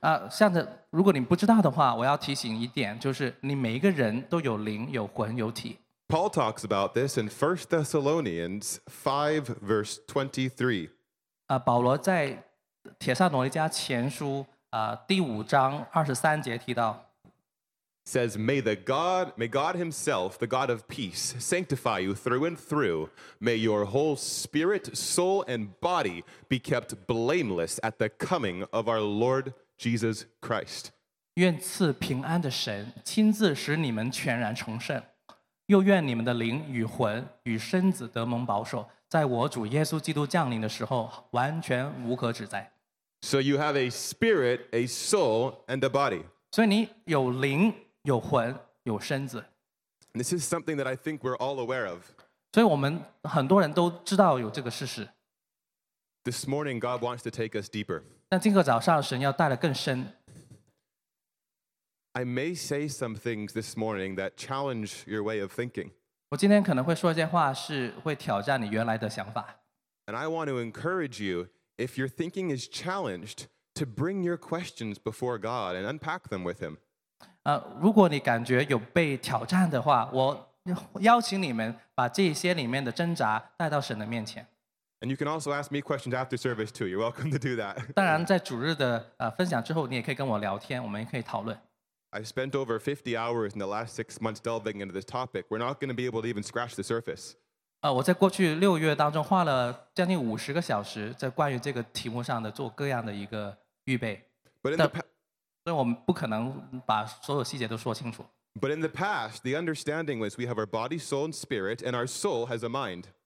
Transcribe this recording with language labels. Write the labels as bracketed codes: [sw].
[zh] 像这，如果你不知道的话，我要提醒一点，就是你每一个人都有灵、有魂、有体。 [en] Paul talks about this in 1 Thessalonians 5, verse 23. [zh] 保罗在《帖撒罗尼迦前书》第五章二十三节提到 [en] says, May God himself, the God of peace, sanctify you through and through. May your whole spirit, soul, and body be kept blameless at the coming of our Lord Jesus Christ. [zh] 愿赐平安的神亲自使你们全然重生。又愿你们的灵与魂与身子得蒙保守，在我主耶稣基督降临的时候完全无可指摘。 [en] So you have a spirit, a soul, and a body. [zh] 所以你有灵、有魂、有身子。 [en] This is something that I think we're all aware of. [zh] 所以我们很多人都知道有这个事实。 [en] This morning, God wants to take us deeper. [zh] 但今个早上，神要带得更深。 [en] I may say some things this morning that challenge your way of thinking. [zh] 我今天可能会说一些话是会挑战你原来的想法。 [en] And I want to encourage you, if your thinking is challenged, to bring your questions before God and unpack them with him. [zh] 如果你感觉有被挑战的话，我邀请你们把这些里面的挣扎带到神的面前。 [en] And you can also ask me questions after service too. You're welcome to do that. [zh] 当然在主日的分享之后，你也可以跟我聊天，我们也可以讨论。 [en] I've spent over 50 hours in the last 6 months delving into this topic. We're not going to be able to even scratch the surface. [zh] 我在过去六月当中花了将近五十个小时在关于这个题目上的做各样的一个预备。 [en] But in the past, [zh] 所以我们不可能把所有细节都说清楚。 [en] But in the past, the understanding was we have our body, soul, and spirit, and our soul has a mind.